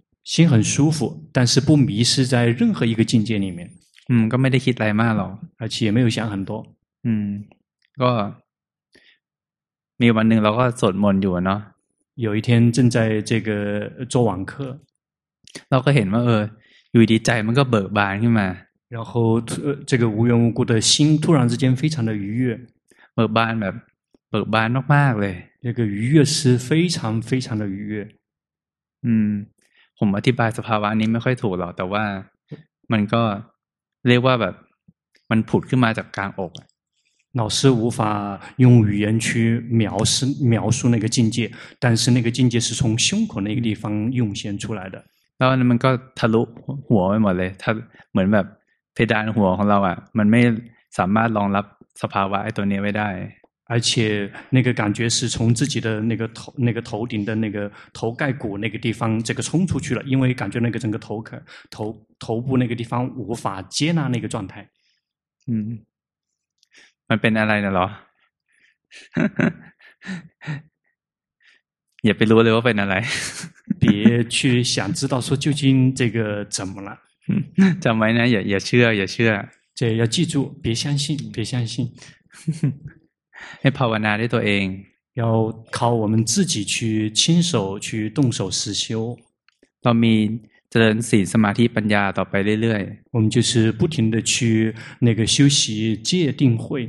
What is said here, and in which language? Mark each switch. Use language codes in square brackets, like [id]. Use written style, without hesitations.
[zh] 心很舒服但是不迷失在任何一个境界里面 [th] ก็ไม่ได้คิดอะไรมากหรอก [zh] 而且也没有想很多 [th] ก็มีวันหนึ่งเราก็สวดมนต์อยู่เนาะ [zh] 有一天正在这个做网课 [th] เราก็เห็นว่าอยู่ดีใจมันก็เบิกบานขึ้นมา [zh] 然后这个无缘无故的心突然之间非常的愉悦 [th] เบิกบานแบบเบิกบานมากๆเลย [zh] 这个愉悦是非常非常的愉悦 [th] ผมอธิบายสภาวะนี้ไม่ค่อยถูกหรอกแต่ว่ามันก็เรียกว่าแบบมันผุดขึ้นมาจากกลางอก [zh] 老师无法用语言去描述那个境界，但是那个境界是从胸口那个地方涌现出来的。然后 [th] มันก็ทะลุหัวไปหมดเลย，它เหมือนแบบเพดานหัวของเราอ่ะ，มันไม่สามารถรองรับสภาวะไอ้ตัวนี้ไว้ได้。 [zh] 而且那个感觉是从自己的那个头顶的那个头盖骨那个地方这个冲出去了，因为感觉那个整个头部那个地方无法接纳那个状态。 [th] มันเป็นอะไรน่ะหรออย่าไปรู้เลยว่าเป็นอะไร [zh] 别去想知道说究竟这个怎么了 [th] จำไว้นะอย่าเชื่อ [zh] 这要记住别相信 [th] ให้ภาวนาด้วยตัวเอง [zh] 要靠我们自己去亲手去动手实修 [th] เรามีเจริญศีลสมาธิปัญญาต่อไปเรื่อย [zh] ๆ我们就是不停的去那个修习戒定慧